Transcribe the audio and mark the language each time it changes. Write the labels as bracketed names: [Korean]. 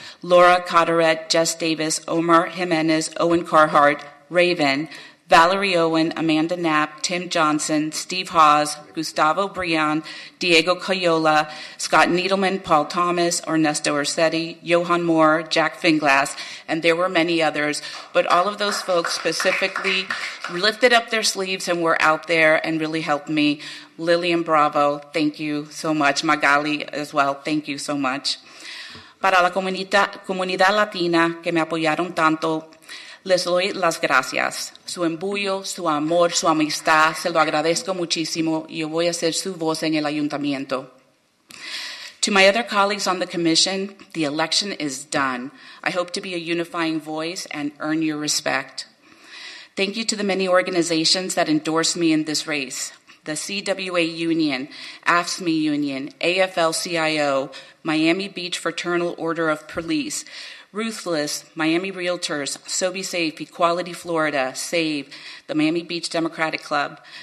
[English] Laura Cotterett, Jess Davis, Omar Jimenez, Owen Carhart, Raven, Valerie Owen, Amanda Knapp, Tim Johnson, Steve Hawes, Gustavo Brian, Diego Coyola, Scott Needleman, Paul Thomas, Ernesto Orsetti, Johan Moore, Jack Finglass, and there were many others. But all of those folks specifically lifted up their sleeves and were out there and really helped me. Lillian Bravo, thank you so much. Magali as well, thank you so much. [Spanish] Para la comunidad latina que me apoyaron tanto, les doy las gracias. Su embullo, su amor, su amistad, se lo agradezco muchísimo. Yo voy a ser su voz en el ayuntamiento. [English] To my other colleagues on the commission, the election is done. I hope to be a unifying voice and earn your respect. Thank you to the many organizations that endorsed me in this race. The CWA Union, AFSCME Union, AFL-CIO, Miami Beach Fraternal Order of Police, Ruthless, Miami Realtors, SoBeSafe, Equality Florida, SAVE, the Miami Beach Democratic Club.